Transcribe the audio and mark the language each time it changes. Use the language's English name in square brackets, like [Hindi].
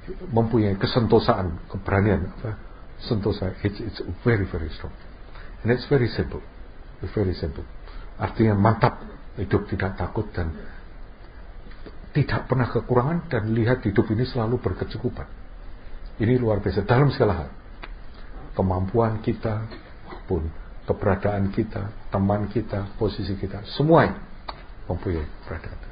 [Indonesian] Mempunyai kesentosaan, keberanian. [English] Sentosa, it's very, very strong. And it's very simple. Very simple. [Indonesian] Artinya mantap, hidup tidak takut dan tidak pernah kekurangan dan lihat hidup ini selalu berkecukupan. Ini luar biasa. Dalam segala hal. Kemampuan kita, pun keberadaan kita, teman kita, posisi kita, semua mempunyai keberadaan.